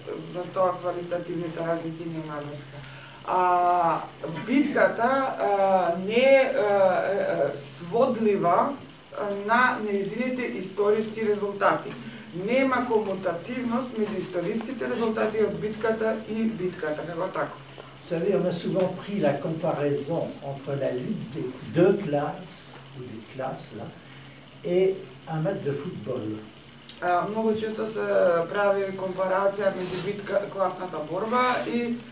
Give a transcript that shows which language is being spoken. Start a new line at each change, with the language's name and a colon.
Macedonian: Затоа квалитативните разлики нема врска. А битката не е сводлива на нејзините историски резултати. Нема комутативност меѓу историските резултати од битката и битката, како така.
French: Vous savez, on a souvent pris la comparaison entre la lutte des deux classes ou des classes là, et un match de football.
Macedonian: Много често се прави компарација меѓу битка класната борба и